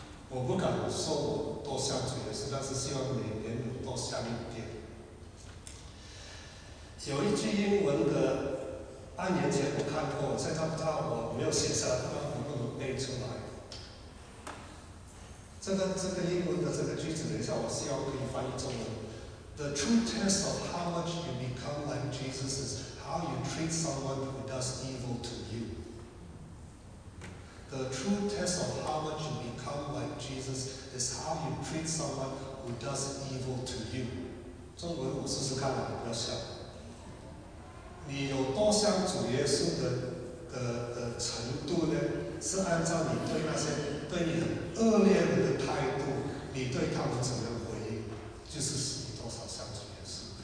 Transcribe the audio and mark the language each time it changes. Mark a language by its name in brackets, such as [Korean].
[Chinese] 我不敢说我多像主耶稣，但是希望每年有多像一点。有一句英文的，半年前我看过，现在不知道我没有写下来，不知道能不能背出来。这个英文的这个句子，等一下我希望可以翻译中文。 [English] The true test of how much you become like Jesus is how you treat someone who does evil to you. The true test of how much you become like Jesus is how you treat someone who does evil to you. [Chinese] 中文我试试看吧，不要笑。你有多像主耶稣的程度呢？是按照你对那些对你很恶劣人的态度，你对他们怎么样回应，就是使你多少相处也是。